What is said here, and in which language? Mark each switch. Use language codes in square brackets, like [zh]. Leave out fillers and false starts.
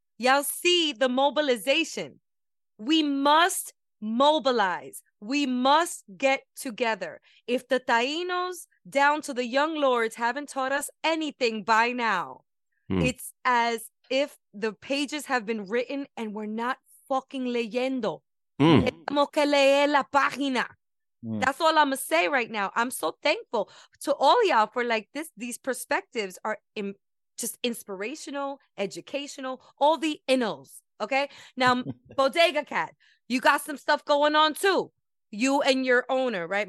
[en] Y'all see the mobilization. We must mobilize. We must get together. If the Taínos down to the young lords haven't taught us anything by now, it's as if the pages have been written and we're not fucking [es] leyendo. Tenemos que leer la página. [en] That's all I'm gonna say right now. I'm so thankful to all y'all for like this. These perspectives are just inspirational, educational, all the innals. Okay. Now, Bodega Cat, you got some stuff going on too. You and your owner, right?